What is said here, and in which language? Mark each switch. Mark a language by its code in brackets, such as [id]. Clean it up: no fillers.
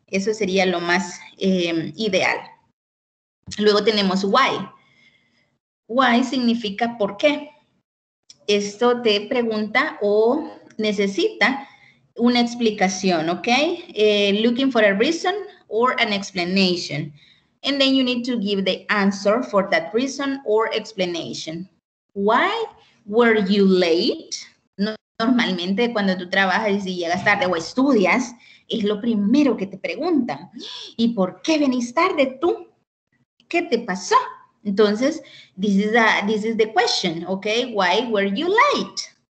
[es] Eso sería lo más ideal. Luego tenemos why. Why significa por qué. Esto te pregunta o necesita una explicación, ¿ok? [en] Looking for a reason or an explanation. And then you need to give the answer for that reason or explanation. Why were you late? [es] Normalmente cuando tú trabajas y si llegas tarde o estudias, es lo primero que te preguntan. ¿Y por qué venís tarde tú? ¿Qué te pasó? Entonces, [en] this is the question, ¿ok? Why were you late?